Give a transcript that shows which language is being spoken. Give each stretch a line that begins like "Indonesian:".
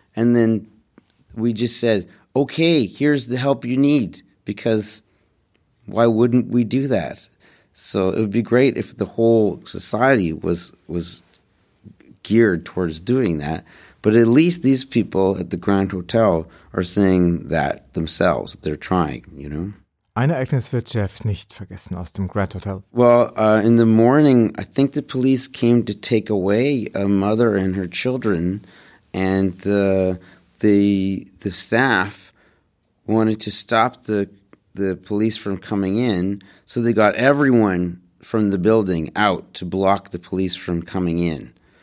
English: And then we just said, okay, here's the help you need, because why wouldn't we do that? So it would be great if the whole society was geared towards doing that. But at least these people at the Grand Hotel are saying that themselves. They're trying, you know?
German: Ein Ereignis wird Jeff nicht vergessen aus dem Grand Hotel.
English: Well, in the morning, I think the police came to take away a mother and her children, and the staff wanted to stop the police from coming in, so they got everyone from the building out to block the police from coming in.